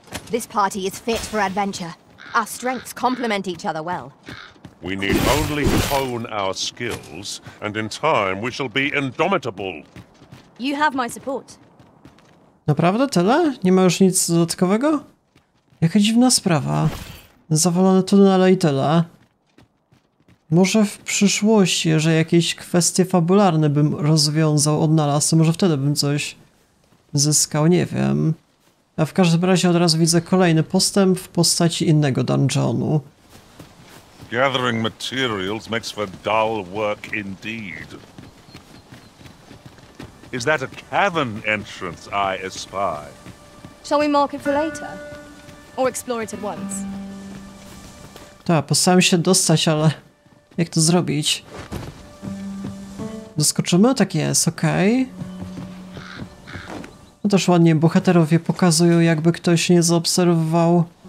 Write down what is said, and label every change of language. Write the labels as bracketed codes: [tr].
[en] This party is fit for adventure. Our strengths complement each other well. We need only hone our skills, and in time we shall be indomitable. You have my support. [pl] Naprawdę tyle? Nie ma już nic dodatkowego? Jaka dziwna sprawa. Zawalone tunele i tyle. Może w przyszłości, że jakieś kwestie fabularne bym rozwiązał, odnalazł, to może wtedy bym coś zyskał, nie wiem. A w każdym razie od razu widzę kolejny postęp w postaci innego dungeonu. [en] Gathering materials makes for dull work indeed. Is that a cavern entrance I espy? Shall we mark it for later? Or explore it at once? [pl] Tak, postaram się dostać, ale jak to zrobić? Zaskoczymy? Tak jest, okej. Okay. No też ładnie bohaterowie pokazują, jakby ktoś nie zaobserwował.